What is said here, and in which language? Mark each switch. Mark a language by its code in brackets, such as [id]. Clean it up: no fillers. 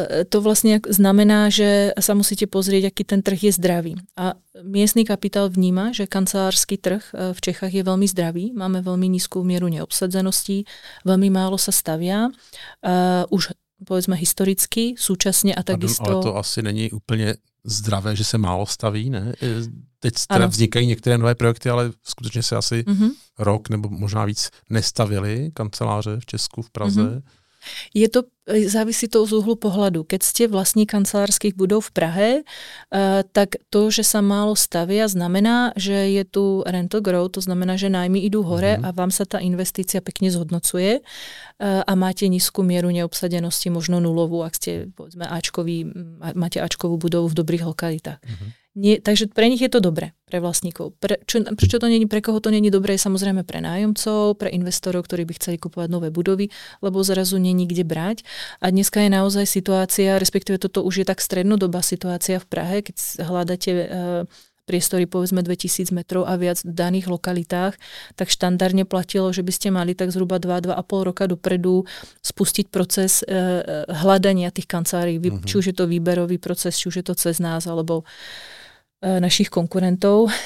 [sk] to vlastne znamená, že sa musíte pozrieť, aký ten trh je zdravý. A miestny kapitál vníma, že kancelársky trh v Čechách je veľmi zdravý. Máme veľmi nízku mieru neobsadzenosti, veľmi málo sa stavia. Už povedzme historicky, súčasne a takisto... [cs] Ale to asi není úplne zdravé, že se málo staví, ne? Teď teda vznikají některé nové projekty, ale skutečně se asi rok nebo možná víc nestavili kanceláře v Česku, v Praze. Je to, závisí to z úhlu pohledu. Keď jste vlastní kancelářských budov v Prahe, tak to, že se málo staví, znamená, že je tu rental growth, to znamená, že nájmy jdou hore a vám se ta investice pěkně zhodnocuje a máte nízkou míru neobsadenosti, možno nulovou, ak jste, povedzme, Ačkový, máte Ačkovou budovu v dobrých lokalitách. [sk] Nie, takže pre nich je to dobré, pre vlastníkov. Prečo to není, pre koho to není dobré, je samozrejme pre nájomcov, pre investorov, ktorí by chceli kupovať nové budovy, lebo zrazu není kde brať. A dneska je naozaj situácia, respektíve toto už je tak strednodobá situácia v Prahe, keď hľadáte priestory povedzme 2000 metrov a viac v daných lokalitách, tak štandardne platilo, že by ste mali tak zhruba 2, 2,5 roka dopredu spustiť proces hľadania tých kancelárií, či už je to výberový proces, či už je to cez nás, alebo našich konkurentov.